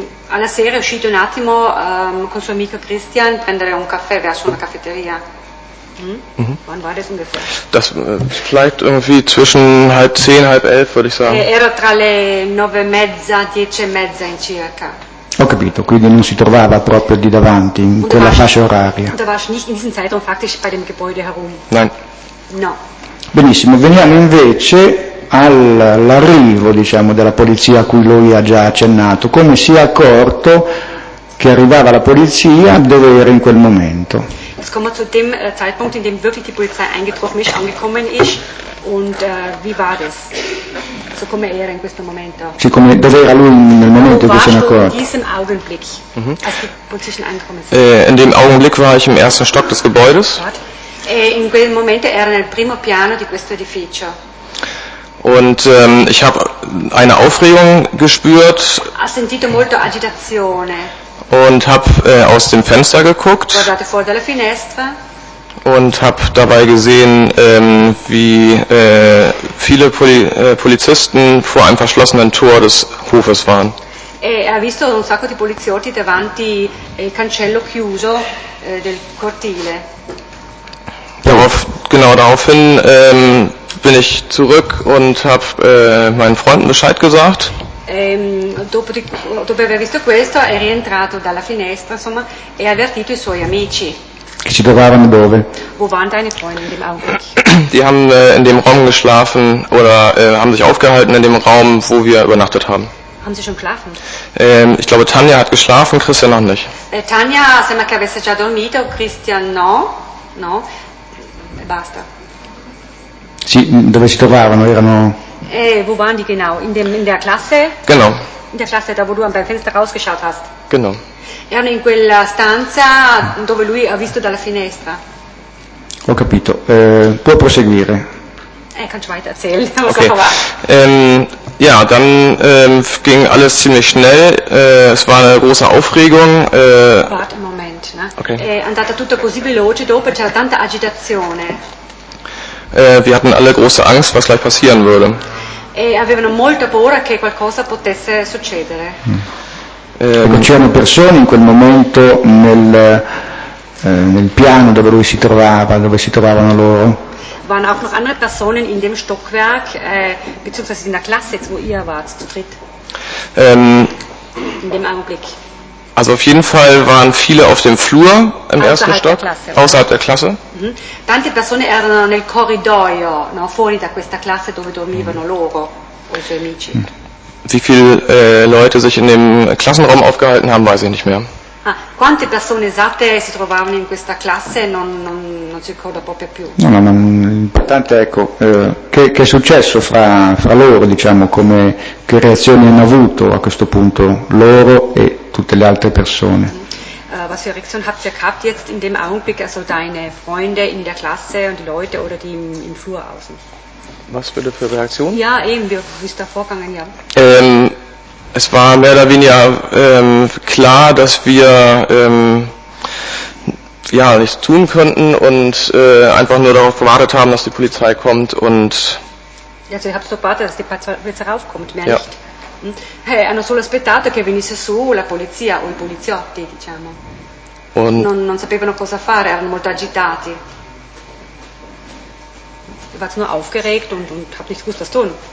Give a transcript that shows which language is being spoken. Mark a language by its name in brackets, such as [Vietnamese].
[Italian] Alla sera è uscito un attimo con suo amico Christian prendere un caffè verso una caffetteria. [German] Wann war das ungefähr? Das vielleicht irgendwie zwischen 10:30, 11:30 würde ich sagen. [Italian] Era tra le 9:30, 10:30 in circa. Ho capito, quindi non si trovava proprio lì davanti in quella fascia oraria. [German] Da warst nicht in diesem Zeitraum faktisch bei dem Gebäude herum. Nein. [Italian] No. Benissimo, veniamo invece all'arrivo, diciamo, della polizia a cui lui ha già accennato. Come si è accorto che arrivava la polizia, dove era in quel momento? [German] Jetzt kommen wir zu dem Zeitpunkt, in dem wirklich die Polizei eingetroffen ist, angekommen ist, und wie war das? [Italian] So come era in questo momento? Sì, come, dove era lui nel momento in cui si è accorto? [German] In diesem Augenblick, als die Polizisten angekommen sind. In dem Augenblick war ich im ersten Stock des Gebäudes. [Italian] In quel momento era nel primo piano di questo edificio. [German] Und ich habe eine Aufregung gespürt. [Italian] Ha sentito molto agitazione. [German] Und habe aus dem Fenster geguckt. [Italian] Guardate fuori dalla finestra. [German] Und habe dabei gesehen, wie viele Polizisten vor einem verschlossenen Tor des Hofes waren. [Italian] Ha visto un sacco di poliziotti davanti al cancello chiuso del cortile. [German] Genau daraufhin bin ich zurück und habe meinen Freunden Bescheid gesagt. [Italian] Dopo aver visto questo, è rientrato dalla finestra, insomma, e ha avvertito i suoi amici. Che si trovavano dove? [German] Wo waren deine Freunde in dem Augenblick? Die haben in dem Raum geschlafen oder haben sich aufgehalten in dem Raum, wo wir übernachtet haben. Haben sie schon geschlafen? Ich glaube, Tanja hat geschlafen, Christian noch nicht. [Italian] Tanja sembra che avesse già dormito, Christian no, no. Basta. Sì, dove si trovavano? Erano. [German] Wo waren die genau? In der Klasse? Genau. In der Klasse, da wo du am Fenster rausgeschaut hast? Genau. [Italian] Erano in quella stanza dove lui ha visto dalla finestra. Ho capito. Può proseguire. [German] Kannst du weiter erzählen, was okay. Da war. Ja, dann ging alles ziemlich schnell. Es war eine große Aufregung. Warte einen Moment. Ne? Okay. [Italian] È andata tutto così veloce, dopo c'era tanta agitazione. [German] Wir hatten alle große Angst, was gleich passieren würde. [Italian] Avevano molta paura che qualcosa potesse succedere. C'erano persone in quel momento nel piano dove lui si trovava, dove si trovavano loro? [German] Waren auch noch andere Personen in dem Stockwerk, beziehungsweise in der Klasse, wo ihr wart, zu dritt? In dem Augenblick. Also auf jeden Fall waren viele auf dem Flur im ersten Stock, außerhalb der Klasse. [Italian] Tante persone erano nel corridoio, no, fuori da questa classe dove dormivano loro, o i suoi amici. [German] Wie viele Leute sich in dem Klassenraum aufgehalten haben, weiß ich nicht mehr. [Italian] Quante persone esatte si trovavano in questa classe non si ricorda proprio più. No, l'importante è ecco, che è successo fra loro, diciamo, come che reazioni hanno avuto a questo punto loro e tutte le altre persone. [German] Was für Reaktion habt ihr gehabt jetzt in dem Augenblick, also deine Freunde in der Klasse und die Leute oder die im Flur außen? Was für eine Reaktion? Ja, eben, wie ist der Vorgang, ja. Es war mehr oder weniger klar, dass wir ja nichts tun könnten und einfach nur darauf gewartet haben, dass die Polizei kommt und. Also ihr habt so gewartet, dass die Polizei raufkommt, mehr ja. Nicht. [Italian] Hanno solo aspettato che venisse su la polizia o i poliziotti, diciamo. [German] Und [Italian] non sapevano cosa fare, erano molto agitati. [German] Warst nur aufgeregt und hab nicht gewusst, was tun.